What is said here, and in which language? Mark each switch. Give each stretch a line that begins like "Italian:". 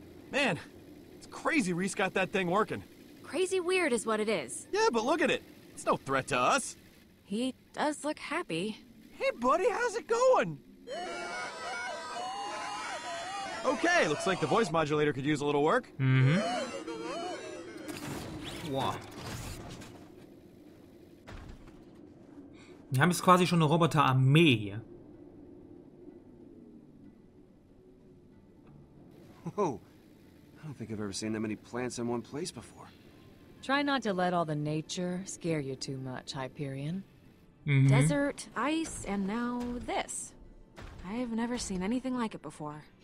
English: Man, it's crazy Reese got that thing working. Crazy weird is what it is. Yeah, but look at it. It's no threat to us. He does look happy. Hey, buddy, how's it going? Okay, looks like the voice modulator could use a little work.
German: Wir haben jetzt quasi schon eine Roboterarmee hier.
English: Whoa, I don't think I've ever seen that many plants in one place before. Try not to let all the nature scare you too much, Hyperion. Mm-hmm. Desert, ice, and now this. I've never seen anything like it before.